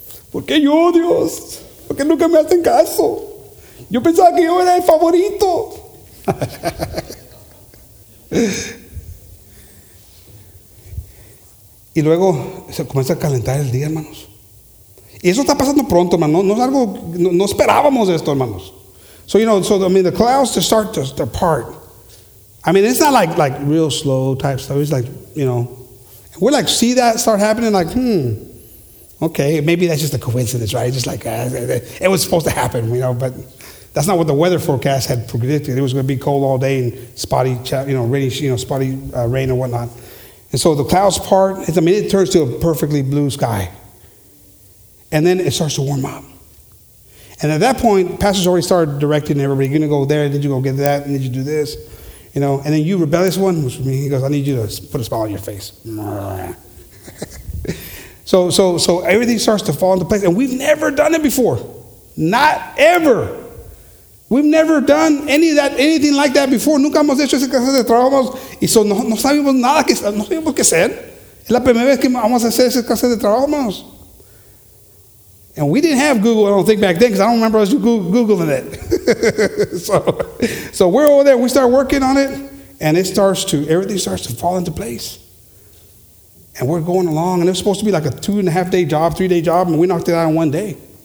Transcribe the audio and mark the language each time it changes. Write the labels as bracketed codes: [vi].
[es] ¿Por qué yo, Dios? ¿Por qué nunca me hacen caso? Yo pensaba que yo era el favorito. Y luego se comienza a calentar el día, hermanos. Y eso está pasando pronto, hermano. No es algo, no esperábamos esto, hermanos. [en] So, you know, so, I mean, the clouds to start to part. I mean, it's not like real slow type stuff. It's like, you know, we like see that start happening, like, okay, maybe that's just a coincidence, right? Just like, it was supposed to happen, you know, but that's not what the weather forecast had predicted. It was going to be cold all day and spotty, rain and whatnot. And so the clouds part. It turns to a perfectly blue sky. And then it starts to warm up. And at that point, pastors already started directing everybody. You're going to go there. Did you go get that? Did you do this? You know, and then you rebellious one, which was me. He goes, I need you to put a smile on your face. So everything starts to fall into place, and we've never done it before. Not ever. We've never done anything like that before. [es] Nunca hemos hecho ese clase de trabajos. Y so no sabíamos nada que hacer. Es la primera vez que vamos a hacer ese clase de trabajos. [en] And we didn't have Google, I don't think, back then, because I don't remember us Googling it. So we're over there, we start working on it, and everything starts to fall into place. And we're going along, and it was supposed to be like a 2.5-day job, 3-day job, and we knocked it out in one day.